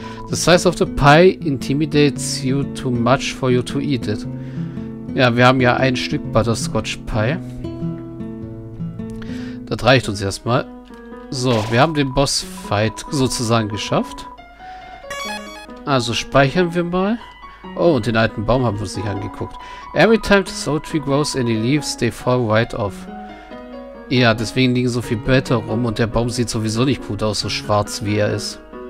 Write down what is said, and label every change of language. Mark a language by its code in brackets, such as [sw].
[en] The size of the pie intimidates you too much for you to eat it. [de] Ja, wir haben ja ein Stück Butterscotch Pie. Das reicht uns erstmal. So, wir haben den Bossfight sozusagen geschafft. Also speichern wir mal. Oh, und den alten Baum haben wir uns nicht angeguckt. [en] Every time the oak tree grows any leaves, they fall right off. [de] Ja, deswegen liegen so viel Blätter rum und der Baum sieht sowieso nicht gut aus, so schwarz wie er ist.